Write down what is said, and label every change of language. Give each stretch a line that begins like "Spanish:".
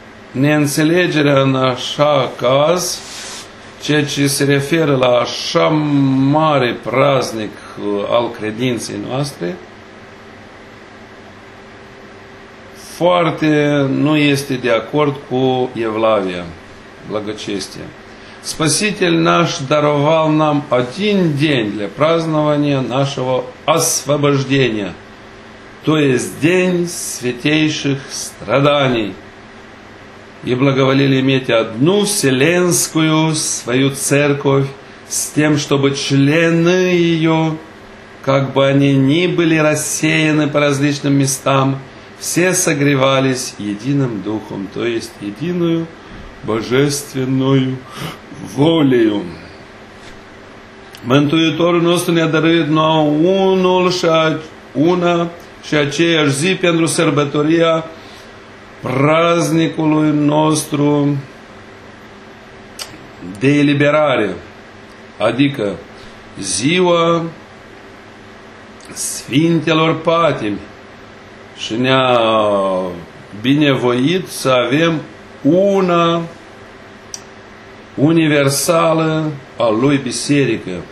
Romanian: neînțelegerea în așa caz, ceea ce se referă la așa mare praznic al credinței noastre, foarte nu este de acord cu evlavia, blagocestia.
Russian: Спаситель наш даровал нам один день для празднования нашего освобождения, то есть день святейших страданий, и благоволили иметь одну вселенскую свою церковь с тем, чтобы члены ее, как бы они ни были рассеяны по различным местам, все согревались единым духом, то есть единую божественную волею.
Romanian: Mântuitorul nostru ne-a dăruit nouă unul și una și aceeași zi pentru sărbătoria praznicului nostru de eliberare, adică ziua Sfintelor Patimi, și ne-a binevoit să avem una universală a lui Biserică.